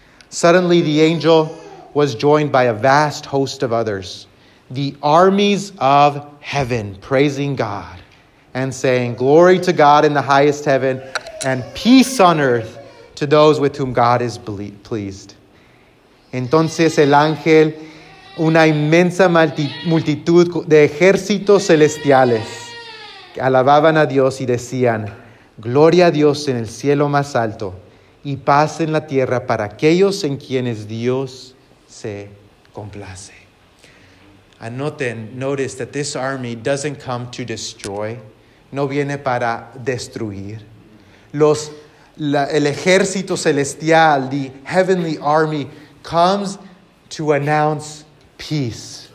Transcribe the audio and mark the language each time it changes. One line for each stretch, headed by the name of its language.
English: Suddenly the angel was joined by a vast host of others, the armies of heaven, praising God and saying, glory to God in the highest heaven and peace on earth to those with whom God is pleased.
Spanish: Entonces el ángel, una inmensa multitud de ejércitos celestiales que alababan a Dios y decían, gloria a Dios en el cielo más alto y paz en la tierra para aquellos en quienes Dios se complace.
English: Notice that this army doesn't come to destroy.
Spanish: No viene para destruir. El ejército celestial,
English: the heavenly army, comes to announce peace.